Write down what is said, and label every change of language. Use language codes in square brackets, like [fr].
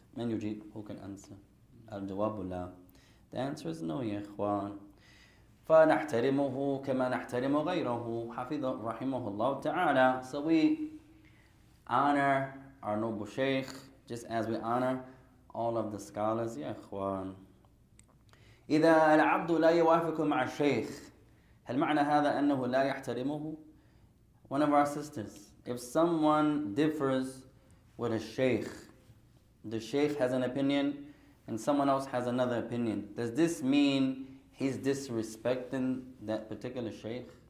[ar] Man yujib, [en] who can answer? [ar] Al-jawabu la. [en] The answer is no, ya ikhwan. [ar] فَنَحْتَرِمُهُ كَمَا نَحْتَرِمُ غَيْرَهُ حَفِظَ رَحِمُهُ اللَّهُ تَعَالَى. [en] So we honor our noble sheikh just as we honor all of the scholars, ya ikhwan. [ar] إذا العبد لا يوافق مع الشيخ هل معنى هذا أنه لا يحترمه. [en] One of our sisters, if someone differs with a sheikh, the sheikh has an opinion and someone else has another opinion, does this mean he's disrespecting that particular sheikh?